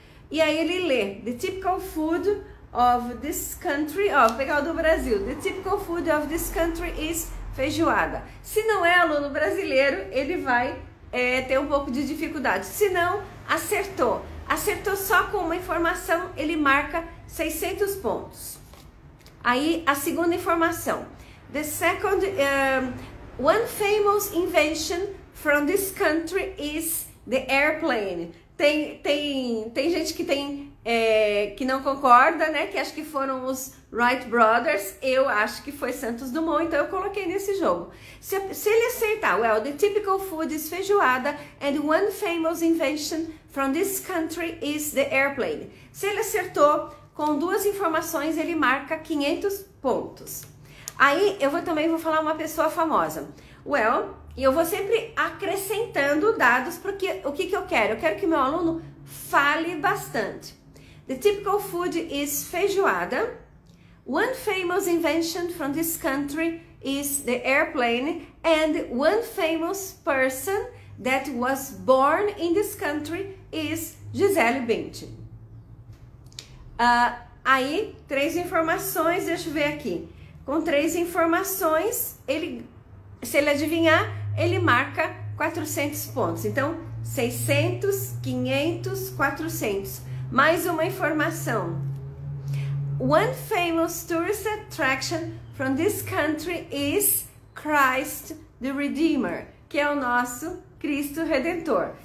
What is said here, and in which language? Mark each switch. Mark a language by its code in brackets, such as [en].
[pt] E aí ele lê, [en] the typical food of this country, [pt] pegar o do Brasil, [en] the typical food of this country is feijoada. [pt] Se não é aluno brasileiro, ele vai ter um pouco de dificuldade. Se não, acertou. Acertou só com uma informação, ele marca 600 pontos. Aí, a segunda informação. [en] The second, one famous invention from this country is the airplane. [pt] Tem gente que tem que não concorda, né? Que acha que foram os Wright Brothers. Eu acho que foi Santos Dumont, então eu coloquei nesse jogo. Se ele acertar, [en] well, the typical food is feijoada and one famous invention from this country is the airplane. [pt] Se ele acertou com duas informações, ele marca 500 pontos. Aí eu também vou falar uma pessoa famosa. Well, e eu vou sempre acrescentando dados, porque o que eu quero? Eu quero que meu aluno fale bastante. [en] The typical food is feijoada. One famous invention from this country is the airplane. And one famous person that was born in this country is Gisele Bündchen. [pt] Aí, três informações, deixa eu ver aqui. Com três informações, se ele adivinhar, ele marca 400 pontos. Então, 600, 500, 400. Mais uma informação. [en] One famous tourist attraction from this country is Christ the Redeemer, [pt] que é o nosso Cristo Redentor.